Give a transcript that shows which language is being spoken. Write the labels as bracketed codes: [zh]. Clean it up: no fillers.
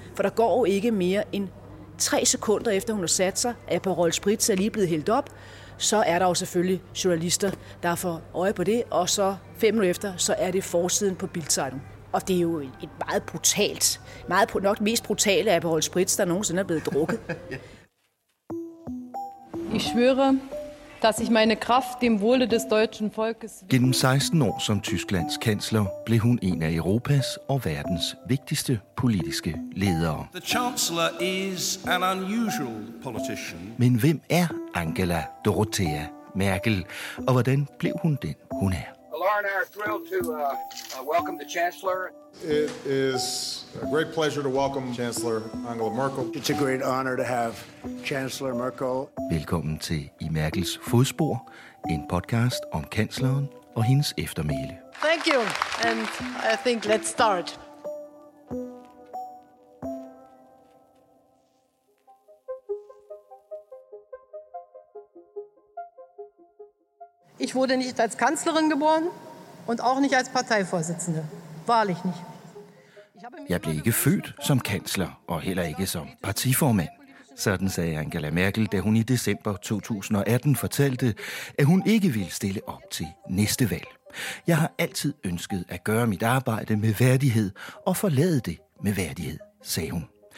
[da] For der går jo ikke mere end 3 sekunder efter hun har sat sig, at Aperol Spritz er lige blevet hældt op. Så er der jo selvfølgelig journalister, der får øje på det, og så 5 minutter efter, så er det forsiden på Bildtiden. Og det er jo et meget brutalt, meget nok mest brutale Aperol Spritz, der nogensinde er blevet drukket. [de] Ich schwöre, dass ich meine Kraft dem Wohle des deutschen Volkes. [da] Gennem 16 år som Tysklands kansler blev hun en af Europas og verdens vigtigste politiske ledere. [en] The Chancellor is an unusual politician. [da] Men hvem er Angela Dorothea Merkel, og hvordan blev hun den, hun er? [en] Laura and I are thrilled to welcome the Chancellor. It is a great pleasure to welcome Chancellor Angela Merkel. It's a great honor to have Chancellor Merkel. [da] Velkommen til I Merkels fodspor, en podcast om kansleren og hendes eftermæle. [en] Thank you, and I think let's start. [de] Ich wurde nicht als Kanzlerin geboren und auch nicht als Parteivorsitzende. Wahrlich nicht. [da] Jeg blev ikke født som kansler og heller ikke som partiformand. Sådan sagde Angela Merkel, da hun i december 2018 fortalte, at hun ikke ville stille op til næste valg. Jeg har altid ønsket at gøre mit arbejde med værdighed og forlade det med værdighed, sagde hun.